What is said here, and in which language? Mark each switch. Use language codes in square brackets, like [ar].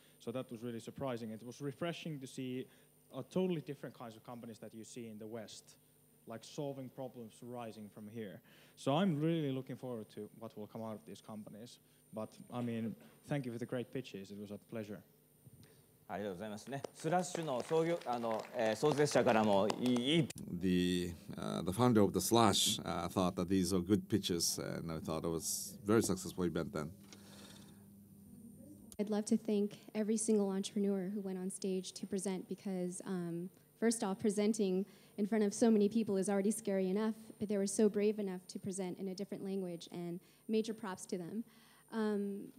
[en] So that was really surprising. It was refreshing to see are totally different kinds of companies that you see in the West, like solving problems rising from here. So I'm really looking forward to what will come out of these companies. But I mean, thank you for the great pitches. It was a pleasure. [ja] ありがとうございますね。スラッシュの創業あの、創設者からもいい。 [en] The founder of the Slash thought that these are good pitches and I thought it was very successful event then. I'd love to thank every single entrepreneur who went on stage to present because, first off, presenting in front of so many people is already scary enough, but they were so brave enough to present in a different language, and major props to them.